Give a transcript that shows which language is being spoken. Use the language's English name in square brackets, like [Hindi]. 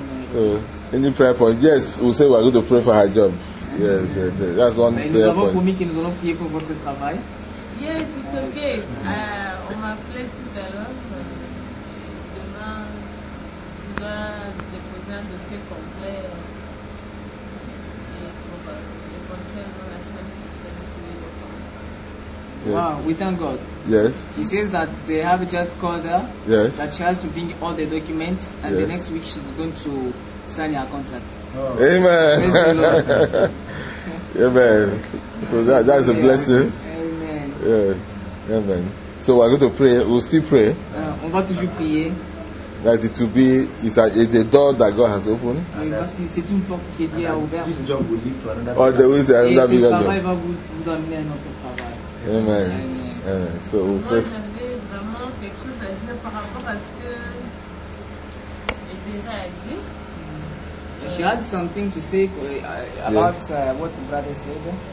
[English] So any prayer point? Yes, we say we are going to pray for her job. Yes. That's one prayer point. [French] Nous avons promis que nous allons prier pour votre travail. [English] Yes, it's okay. [French] On m'a appelé tout à l'heure. Demain, on va déposer un dossier complet. [English] Yes. Wow, we thank God. Yes. He says that they have just called her. Yes. That she has to bring all the documents and yes. The next week she's going to sign her contract. Oh. Amen. Praise the Lord. Amen. So that is a blessing. Amen. Yes. Amen. So we're going to pray. We'll still pray. [French] On va toujours prier. [English] that it will be is a door that God has opened. [French] C'est une porte qui est déjà ouverte. [English] This job will lead to another. Or there is another bigger job. [French] Et ce travail va vous amener à un autre travail. [English] Amen. So [French] moi, j'avais vraiment quelque chose à dire par rapport à ce que Edira a dit. [English] She had something to say about what the brother said.